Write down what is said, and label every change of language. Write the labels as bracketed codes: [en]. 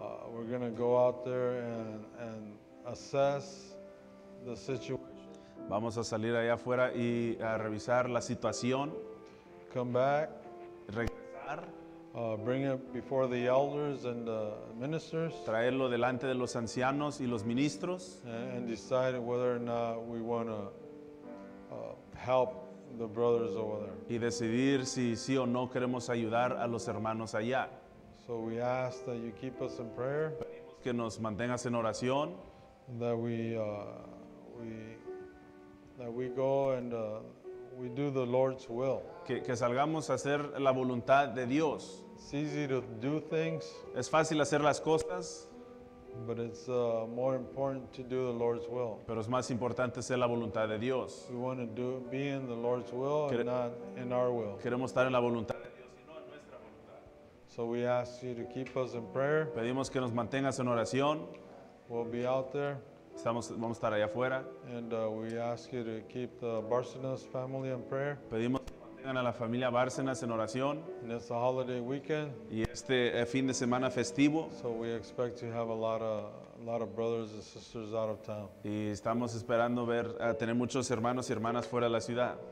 [en] We're gonna go out there and assess the situation. [es] Vamos a salir allá afuera y a revisar la situación. [en] Come back, [es] regresar, [en] bring it before the elders and the ministers, [es] traerlo delante de los ancianos y los ministros, [en] and decide whether or not we want to help the brothers over there. [es] Y decidir si sí o no queremos ayudar a los hermanos allá. [en] So we ask that you keep us in prayer. [es] Pedimos que nos mantengas en oración. [en] That we go and we do the Lord's will. [es] Que salgamos a hacer la voluntad de Dios. [en] It's easy to do things. [es] Es fácil hacer las cosas. [en] But it's more important to do the Lord's will. [es] Pero es más importante hacer la voluntad de Dios. [en] We want to be in the Lord's will and not in our will. [es] Queremos estar en la voluntad de Dios y no en nuestra voluntad. [en] So we ask you to keep us in prayer. [es] Pedimos que nos mantengas en oración. [en] We'll be out there. [es] Vamos a estar allá afuera. [en] And we ask you to keep the Bárcenas family in prayer. [es] Pedimos que mantengan a la familia Bárcenas en oración. [en] And it's a holiday weekend. [es] Y este fin de semana festivo. [en] So we expect to have a lot of brothers and sisters out of town. [es] Y estamos esperando ver a tener muchos hermanos y hermanas fuera de la ciudad.